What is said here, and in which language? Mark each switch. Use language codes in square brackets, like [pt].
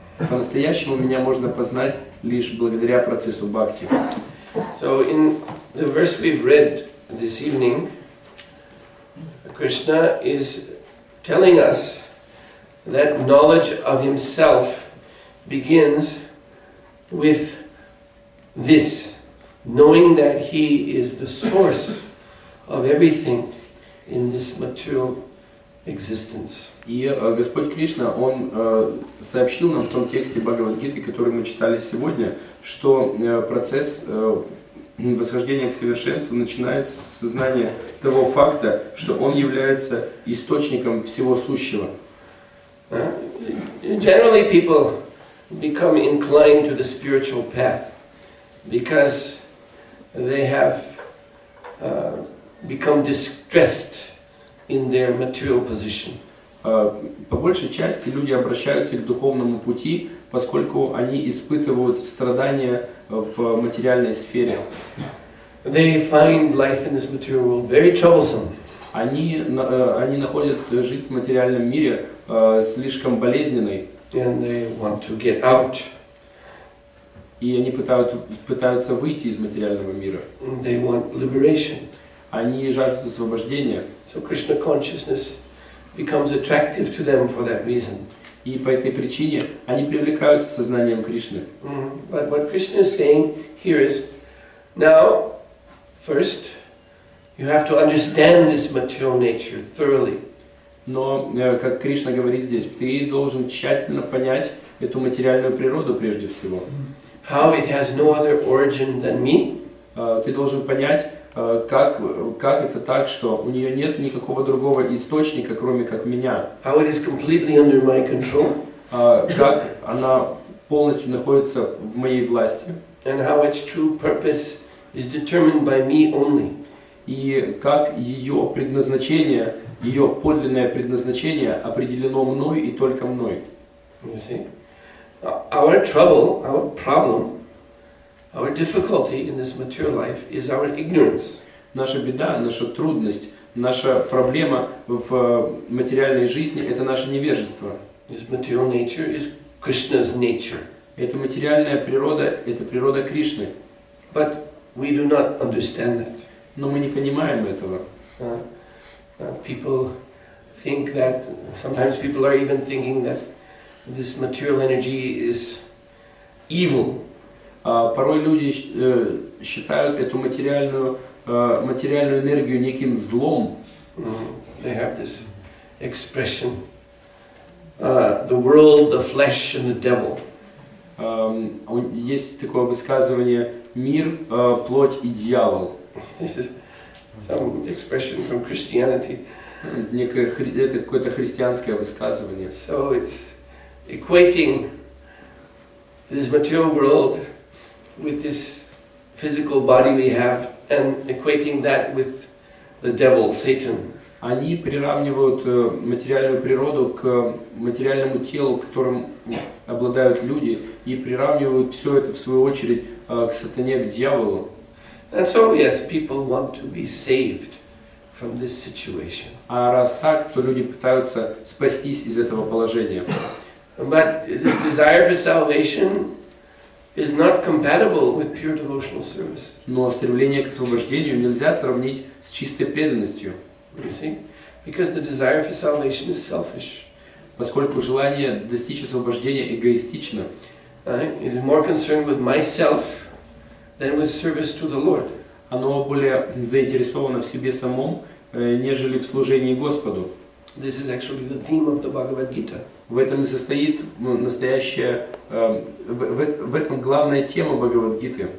[ru] По-настоящему меня можно познать лишь благодаря процессу бхакти. [en] So in the verse we've read this evening, Krishna is telling us that knowledge of Himself begins with this, knowing that He is the source of everything in this material existence. [ru] И Господь Кришна, Он сообщил нам в том тексте Бхагавад-гиты, который мы читали сегодня, что процесс восхождения к совершенству начинается с сознания того факта, что Он является источником всего сущего. [en] Generally, people become inclined to the spiritual path because they have become distressed in their material position. [ru] По большей части люди обращаются к духовному пути, поскольку они испытывают страдания в материальной сфере. [en] They find life in this material world very troublesome. [ru] Они находят жизнь в материальном мире слишком болезненной. [en] And they want to get out. [ru] И они пытаются выйти из материального мира. [en] They want liberation. [ru] Они жаждут освобождения. [en] So Krishna consciousness becomes attractive to them for that reason. [ru] И по этой причине они привлекаются сознанием Кришны. [en] But what Krishna is saying here is, now, first, you have to understand this material nature thoroughly. [ru] Но, как Кришна говорит здесь, ты должен тщательно понять эту материальную природу прежде всего. [en] How it has no other origin than me. [ru] Ты должен понять, как это так, что у нее нет никакого другого источника, кроме как меня. [en] How it is completely under my control. [ru] Как она полностью находится в моей власти. [en] And how its true purpose is determined by me only. [ru] И как ее предназначение, ее подлинное предназначение определено мной и только мной. [en] You see? Our trouble, our problem, our difficulty in this material life is our ignorance. [ru] Наша беда, наша трудность, наша проблема в материальной жизни – это наше невежество. [en] This material nature is Krishna's nature. [ru] Это материальная природа – это природа Кришны. [en] But we do not understand that. [ru] Но мы не понимаем этого. [en] People think that, sometimes people are even thinking that this material energy is evil. [ru] Порой люди считают эту материальную энергию неким злом. [en] They have this expression, the world, the flesh and the devil. [ru] Есть такое высказывание, мир, плоть и дьявол. [en] Some expression from Christianity. [ru] Это какое-то христианское высказывание. [en] So it's equating this material world with this physical body we have and equating that with the devil, Satan. [ru] Они приравнивают материальную природу к материальному телу, которым обладают люди, и приравнивают все это, в свою очередь, к сатане, к дьяволу. [en] And so, yes, people want to be saved from this situation. [ru] А раз так, то люди пытаются спастись из этого положения. [en] But this desire for salvation is not compatible with pure devotional service. [ru] Но стремление к освобождению нельзя сравнить с чистой преданностью. [en] You see? Because the desire for salvation is selfish. [ru] Поскольку желание достичь освобождения эгоистично. [en] It is more concerned with myself than with service to the Lord. [ru] Оно более заинтересовано в себе самом, нежели в служении Господу. [en] This is actually the theme of the Bhagavad Gita. [ru] В этом и состоит настоящая, в этом главная тема Бхагавад Гиты.